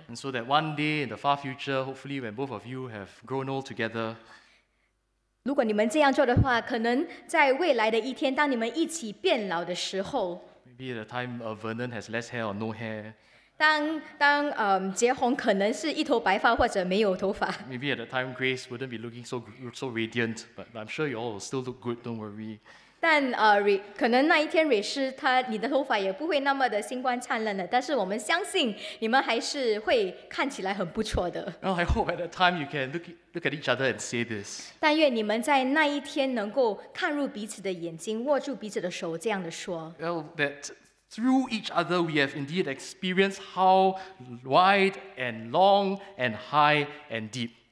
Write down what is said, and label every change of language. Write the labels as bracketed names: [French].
[English] And so that one day in the far future, hopefully when both of you have grown old together, [Chinese] 如果你们这样做的话，可能在未来的一天，当你们一起变老的时候， [English] maybe at a time Vernon has less hair or no hair, [Chinese] 当杰宏可能是一头白发或者没有头发， [English] maybe at a time Grace wouldn't be looking so radiant, but I'm sure you all will still look good, don't worry. [Chinese] 但可能那一天蕊诗，你的头发也不会那么的星光灿烂了，但是我们相信你们还是会看起来很不错的。Well, [English] I hope at that time you can look at each other and say this. [Chinese] 但愿你们在那一天能够看入彼此的眼睛，握住彼此的手，这样的说。Well, [English] that through each other we have indeed experienced how wide and long and high and deep.